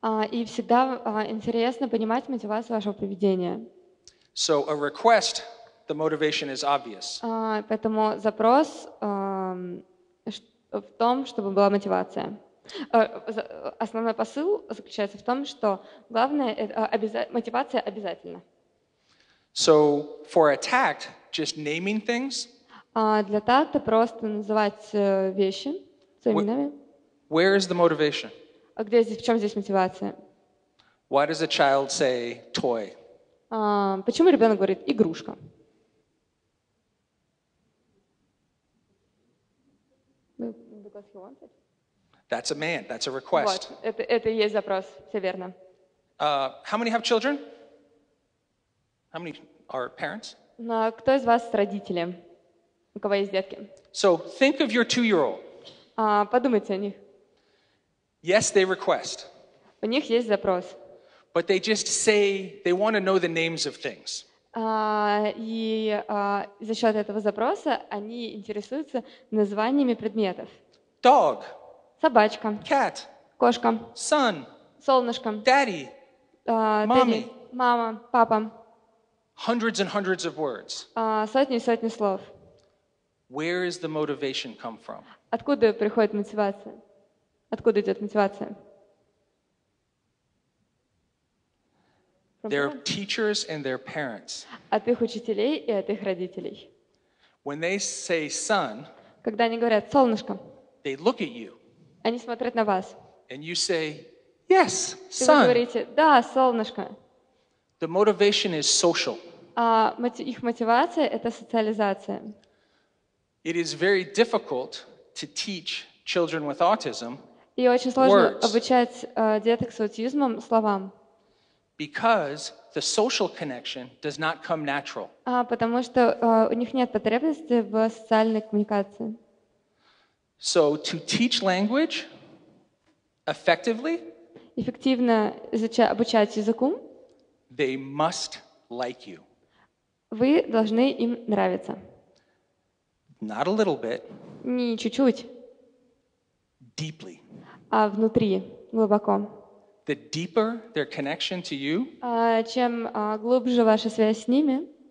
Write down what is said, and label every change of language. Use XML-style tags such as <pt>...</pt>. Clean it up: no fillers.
<ru>И всегда интересно понимать мотивацию вашего поведения.</ru> <en>So a request, the motivation is obvious.</en> <ru>Поэтому запрос в том, чтобы была мотивация. Основной посыл заключается в том, что главное мотивация обязательна.</ru> <en>So for a tact, just naming things.</en> <ru>Для такта просто называть вещи своими именами.</ru> <en>Where is the motivation?</en> <ru>А где здесь, в чем здесь мотивация?</ru> <en>Why does a child say toy?</en> <ru>Почему ребенок говорит игрушка?</ru> <en>Because he wants it. That's a man. That's a request.</en> <ru>Вот, это и есть запрос. Все верно.</ru> <en>How many have children? How many are parents?</en> <ru>Но кто из вас родители? У кого есть детки?</ru> <en>So think of your 2-year-old.</en> <ru>Подумайте о них.</ru> <en>Yes, they request.</en> <ru>У них есть запрос.</ru> <en>But they just say they want to know the names of things.</en> <ru>И за счет этого запроса они интересуются названиями предметов.</ru> <en>Dog.</en> <ru>Собачка.</ru> <en>Cat.</en> <ru>Кошка.</ru> <en>Sun.</en> <ru>Солнышко.</ru> <en>Daddy. Mommy.</en> <ru>Мама. Папа.</ru> <en>Hundreds and hundreds of words.</en> <ru>Сотни и сотни слов.</ru> <en>Where is the motivation come from?</en> <ru>Откуда приходит мотивация? Откуда идет мотивация?</ru> <en>Their teachers and their parents.</en> <ru>От их учителей и от их родителей.</ru> <en>When they say son,</en> <ru>когда они говорят солнышко,</ru> <en>they look at you.</en> <ru>Они смотрят на вас.</ru> <en>And you say, yes, son.</en> <ru>И вы говорите, да, солнышко.</ru> <en>The motivation is social.</en> <ru>Их мотивация — это социализация.</ru> <en>It is very difficult to teach children with autism.</en> <ru>И очень сложно обучать деток с аутизмом словам.</ru> <en>Because the social connection does not come natural.</en> <ru>Потому что у них нет потребности в социальной коммуникации.</ru> <en>So to teach language effectively,</en> <ru>эффективно обучать языку,</ru> <en>they must like you.</en> <ru>Вы должны им нравиться.</ru> <en>Not a little bit.</en> <ru>Не чуть-чуть.</ru> <en>Deeply.</en> <ru>А внутри, глубоко.</ru> <en>The deeper their connection to you,</en> <ru>чем глубже ваша связь с ними,</ru>